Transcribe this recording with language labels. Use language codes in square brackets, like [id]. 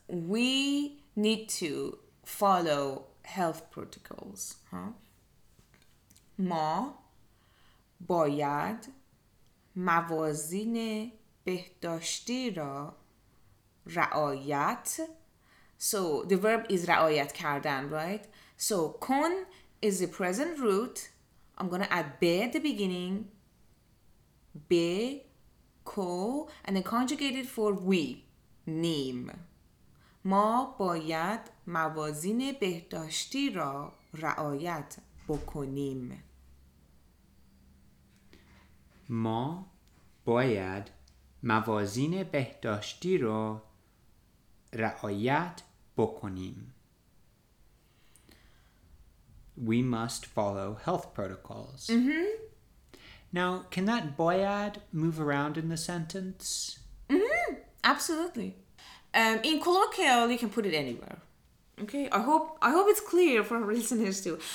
[en] We need to follow health protocols. [fa] Huh? ما باید موازین بهداشتی را رعایت. [en] So the verb is [fa] رعایت کردن, [en] right? So کن is the present root. I'm going to add به at the beginning. به کو, and then conjugate it for we, نیم. [fa] ما باید موازین بهداشتی را رعایت بکنیم. ما باید موازین بهداشتی را رعایت بکنیم. [en] We must follow health protocols. Mm-hmm. Now, can that باید move around in the sentence? Mm-hmm. Absolutely. In colloquial, you can put it anywhere. Okay, I hope it's clear for our listeners too.